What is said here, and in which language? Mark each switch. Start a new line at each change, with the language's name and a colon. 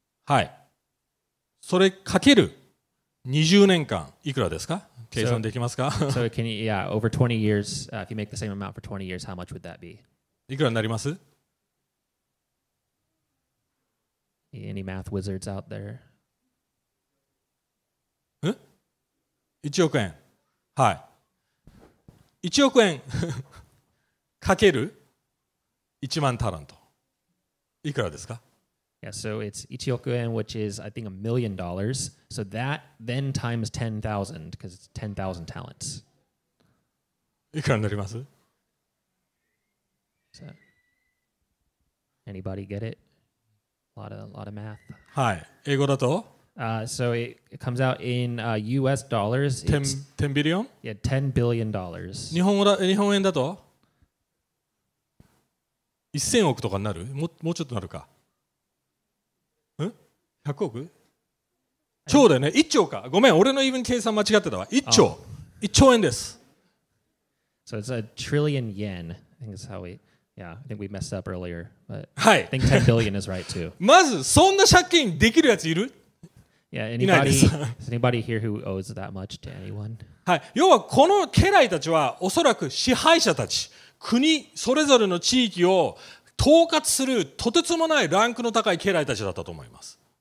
Japanese: はい。それかける20年間いくらですか？計算できますか？
English: So can you, yeah, over 20 years, if you make the same amount for 20 years, how much would that be?
Japanese: いくらになります？
English: Any math wizards out there?
Japanese: 1億円、はい、1億円かける1万タラント、いくらですか？
English: Yeah, so it's
Japanese: 1億円
English: which is I think $1 million. So that then times 10,000 because it's 10,000 talents.
Japanese: いくらになります？
English: So, anybody get it? A lot of math.
Japanese: はい、英語だと。
English: So it comes out in US dollars. Ten billion? Yeah, $10 billion.
Japanese: 日本円だと1000億とかになる？もうちょっとなるか。ん？100 億？超だよね。1兆か。ごめん、俺の even計算間違ってたわ。1兆。1兆円です。
English: So it's a trillion yen. I think that's how we... Yeah, I think we messed up earlier. But I think 10 billion is right too.
Japanese: まず、そんな借金できるやついる？
English: Yeah, anybody here who owes that much to anyone?
Japanese: はい、要はこの家来たちはおそらく支配者たち、国それぞれの地域を統括するとてつもないランクの高い家来たちだったと思います。